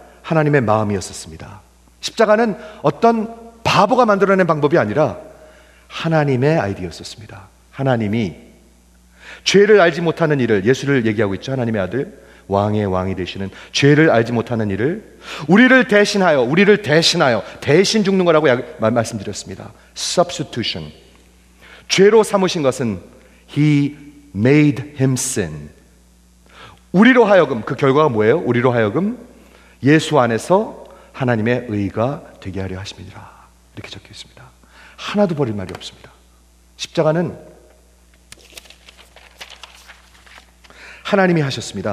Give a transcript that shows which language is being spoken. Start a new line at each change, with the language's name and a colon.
Korean: 하나님의 마음이었었습니다. 십자가는 어떤 바보가 만들어낸 방법이 아니라 하나님의 아이디어였었습니다. 하나님이 죄를 알지 못하는 일을, 예수를 얘기하고 있죠. 하나님의 아들, 왕의 왕이 되시는, 죄를 알지 못하는 일을 우리를 대신하여, 우리를 대신하여, 대신 죽는 거라고 말씀드렸습니다.
English: Substitution.
Korean: 죄로 삼으신 것은
English: He made him sin.
Korean: 우리로 하여금, 그 결과가 뭐예요? 우리로 하여금 예수 안에서 하나님의 의가 되게 하려 하십니다. 이렇게 적혀 있습니다. 하나도 버릴 말이 없습니다. 십자가는 하나님이 하셨습니다.